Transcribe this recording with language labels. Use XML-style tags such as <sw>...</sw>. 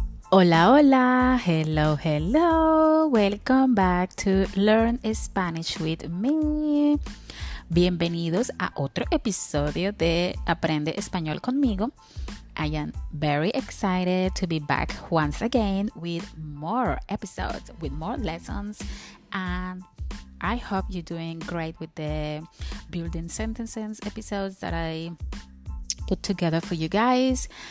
<es>Hola, hola,</es> <en>hello, hello, welcome back to Learn Spanish with me.</en> <es>Bienvenidos a otro episodio de Aprende Español Conmigo.</es> <en>I am very excited to be back once again with more episodes, with more lessons, and I hope you're doing great with the building sentences episodes that I put together for you guys.</en>